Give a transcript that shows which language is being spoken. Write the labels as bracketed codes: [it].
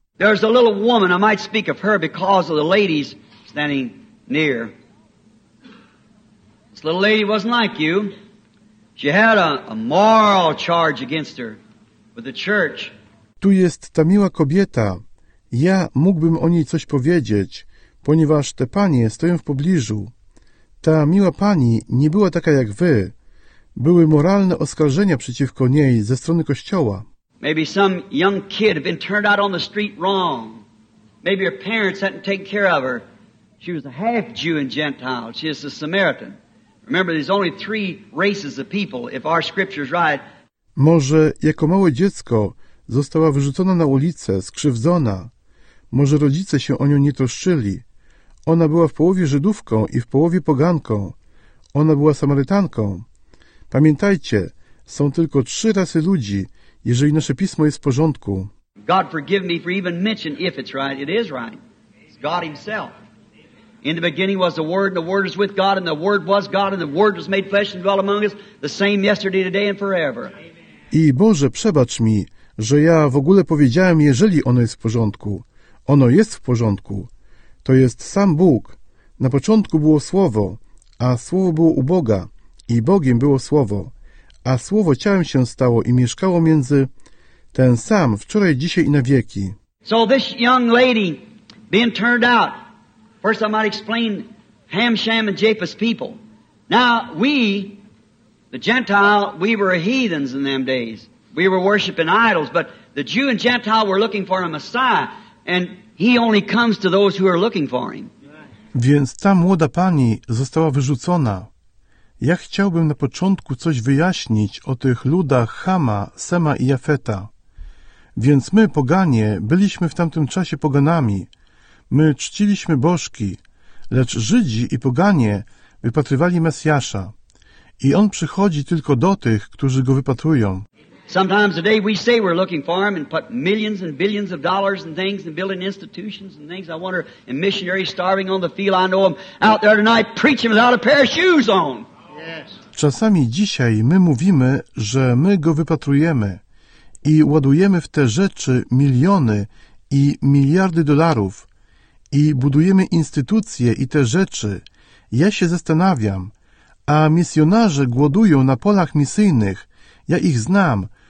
[en] There's a little woman, I might speak of her because of the ladies standing near. This little lady wasn't like you. She had a moral charge against her with the church. [pl] Tu jest ta miła kobieta. Ja mógłbym o niej coś powiedzieć, ponieważ te panie stoją w pobliżu. Ta miła pani nie była taka jak wy. Były moralne oskarżenia przeciwko niej ze strony kościoła. [en] Maybe some young kid had been turned out on the street wrong. Maybe her parents hadn't taken care of her. She was a half Jew and Gentile. She is a Samaritan. Remember, there's only three races of people, if our scripture is right. [pl] Może jako małe dziecko została wyrzucona na ulicę, skrzywdzona. Może rodzice się o nią nie troszczyli. Ona była w połowie Żydówką i w połowie poganką. Ona była Samarytanką. Pamiętajcie, są tylko trzy rasy ludzi, jeżeli nasze pismo jest w porządku. [en] God forgive me for even mentioning if it's right. It is right. It's God himself. In the beginning was the Word, and the Word was with God, and the Word was God, and the Word was made flesh and dwelt among us, the same yesterday, today, and forever. [pl] I Boże, przebacz mi, że ja w ogóle powiedziałem, jeżeli ono jest w porządku. Ono jest w porządku. To jest sam Bóg. Na początku było Słowo, a Słowo było u Boga i Bogiem było Słowo. A Słowo ciałem się stało i mieszkało między ten sam wczoraj, dzisiaj i na wieki. [en] So this young lady being turned out. First I might explain Ham, Shem and Japheth's people. Now we, the Gentile, we were heathens in them days. We were worshiping idols, but the Jew and Gentile were looking for a Messiah, and he only comes to those who are looking for him. [pl] Więc ta młoda pani została wyrzucona. Ja chciałbym na początku coś wyjaśnić o tych ludach Hama, Sema i Jafeta. Więc my, poganie, byliśmy w tamtym czasie poganami. My czciliśmy bożki, lecz Żydzi i poganie wypatrywali Mesjasza. I on przychodzi tylko do tych, którzy go wypatrują. [en] Sometimes today we say we're looking for him and put millions and billions of dollars and things and building institutions and things. I wonder, and missionaries starving on the field. I know them out there tonight preaching without a pair of shoes on. Yes. [pl] Czasami dzisiaj my mówimy, że my go wypatrujemy i ładujemy w te rzeczy miliony i miliardy dolarów i budujemy instytucje i te rzeczy. Ja się zastanawiam, a misjonarze głodują na polach misyjnych. Ja ich znam.